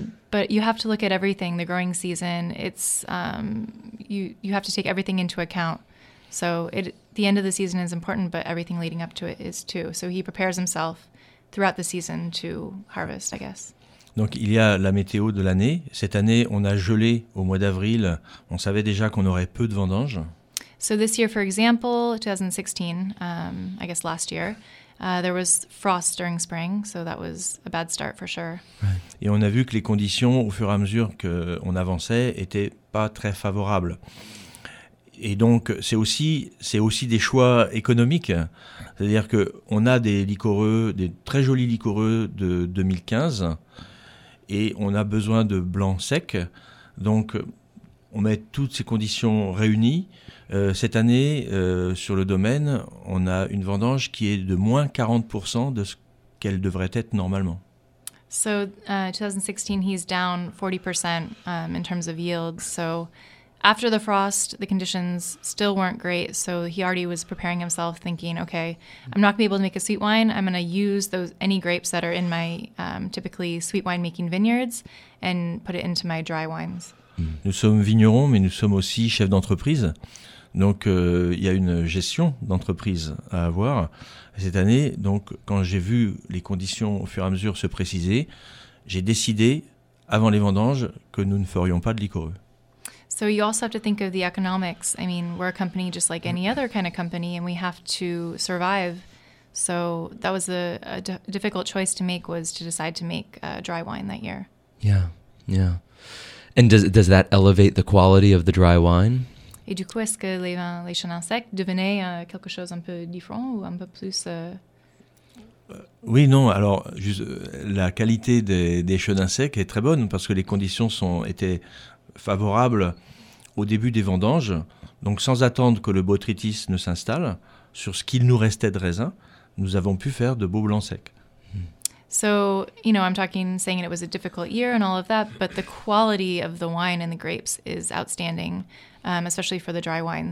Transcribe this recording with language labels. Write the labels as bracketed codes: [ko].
[en] But you have to look at everything, the growing season, it's, you have to take everything into account. So the end of the season is important, but everything leading up to it is too. So he prepares himself. Throughout the season to harvest, I guess. [fr] Donc il y a la météo de l'année. Cette année, on a gelé au mois d'avril. On savait déjà qu'on aurait peu de vendanges. [en] So this year, for example, 2016, I guess last year, there was frost during spring, so that was a bad start for sure. Right. [fr] Et on a vu que les conditions, au fur et à mesure qu'on avançait, n'étaient pas très favorables. Et donc, c'est aussi des choix économiques. C'est-à-dire qu'on a des liquoreux, des très jolis liquoreux de 2015, et on a besoin de blancs secs. Donc, on met toutes ces conditions réunies. Cette année, sur le domaine, on a une vendange qui est de moins 40% de ce qu'elle devrait être normalement. [en] So, 2016, he's down 40% in terms of yield. So... After the frost, the conditions still weren't great, so he already was preparing himself, thinking, okay, I'm not going to be able to make a sweet wine. I'm going to use any grapes that are in my typically sweet wine-making vineyards and put it into my dry wines. [fr] Nous sommes vignerons, mais nous sommes aussi chefs d'entreprise. Donc, il y a une gestion d'entreprise à avoir. Cette année, donc, quand j'ai vu les conditions au fur et à mesure se préciser, j'ai décidé, avant les vendanges, que nous ne ferions pas de liquoreux. [en] So you also have to think of the economics. I mean, we're a company just like any other kind of company, and we have to survive. So that was a difficult choice to make, was to decide to make dry wine that year. Yeah, yeah. And does that elevate the quality of the dry wine? [fr] Et du coup, est-ce que les vins, les chenins secs, devenaient quelque chose un peu différent ou un peu plus... Oui, non. Alors, la qualité des chenins secs est très bonne, parce que les conditions étaient... favorable au début des vendanges, donc sans attendre que le botrytis ne s'installe, sur ce qu'il nous restait de raisin, nous avons pu faire de beaux blancs secs. [en] So, you know, I'm talking, saying it was a difficult year and all of that, but the quality of the wine and the grapes is outstanding, especially for the dry wine.